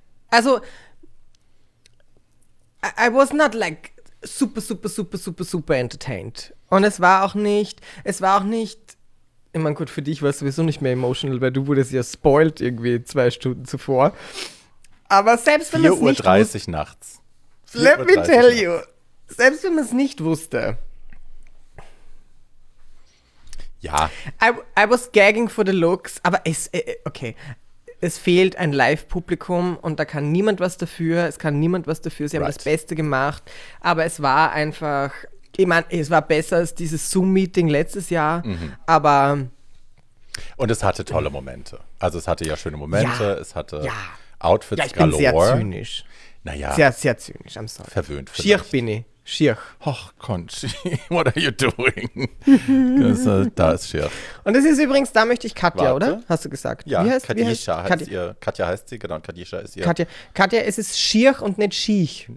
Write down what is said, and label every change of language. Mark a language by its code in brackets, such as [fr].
[en] Also, I was not like super, super, super, super, super entertained. [de] Und es war auch nicht, ich meine, gut, für dich war es sowieso nicht mehr emotional, weil du wurdest ja spoiled irgendwie 2 Stunden zuvor. Aber selbst wenn es nicht... 4:30 Uhr nachts. [en] Let me tell you, [de] selbst wenn man es nicht wusste. Ja. [en] I was gagging for the looks, [de] aber es, okay, es fehlt ein Live-Publikum und da kann niemand was dafür, sie haben das Beste gemacht, aber es war einfach, ich meine, es war besser als dieses Zoom-Meeting letztes Jahr, aber... Und es hatte tolle Momente, also es hatte ja schöne Momente, ja, es hatte ja. Outfits galore. Ja, ich bin sehr zynisch. Naja. Sehr, sehr zynisch, [en] I'm sorry. [de] Verwöhnt vielleicht. Schirch bin ich, schirch. [en] Och, Conchi, what are you doing? [de] Das, da ist Schirch. Und das ist übrigens, da möchte ich Katja, warte, oder? Hast du gesagt? Ja, Katja heißt sie, genau, Katja ist ihr. Katja, es ist Schirch und nicht Schiech.